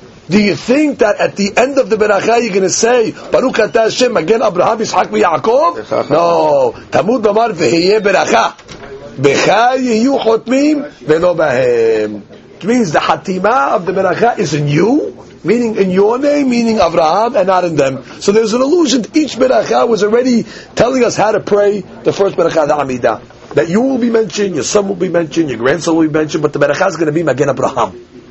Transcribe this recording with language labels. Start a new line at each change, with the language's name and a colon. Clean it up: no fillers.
English: Do you think that at the end of the beracha you're going to say Baruch Ata Hashem again Abraham Yitzchak ויעקב? No.
Hebrew: תמוד במר והיה ברכה בך יהיו חותמים ולא בהם.
English: It means the חתימה of the beracha is in you, meaning in your name, meaning Abraham, and not in them. So there's an allusion. Each beracha was already telling us how to pray the first beracha, the Amidah. That you will be mentioned, your son will be mentioned, your grandson will be mentioned, but the beracha is going to be Magen Abraham.